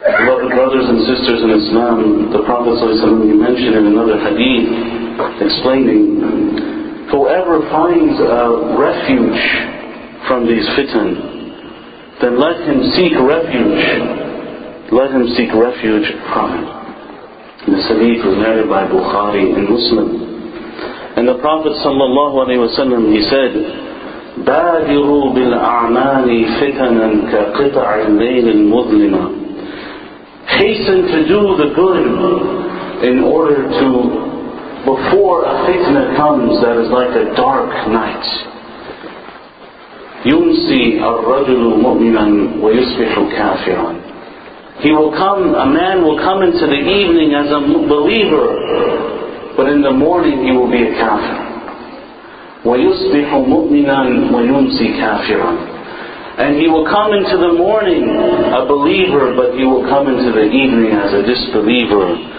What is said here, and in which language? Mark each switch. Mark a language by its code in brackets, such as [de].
[en] Beloved brothers and sisters in Islam, the Prophet ﷺ, he mentioned in another hadith explaining, whoever finds a refuge from these fitan, then let him seek refuge. Let him seek refuge from it. This hadith was narrated by Bukhari and Muslim. And the Prophet ﷺ, he said, [ar] بادروا بالأعمال فتنا كقطع الليل المظلمة. [en] Hasten to do the good in order to, before a fitna comes that is like a dark night. [ar] يمسي الرجل مؤمنا ويصبح كافرا. [en] He will come, a man will come into the evening as a believer, but in the morning he will be a kafir. [ar] وَيُصْبِحُ مُؤْمِنًا وَيُمْسِي كَافِرًا. [en] And he will come into the morning a believer, but he will come into the evening as a disbeliever.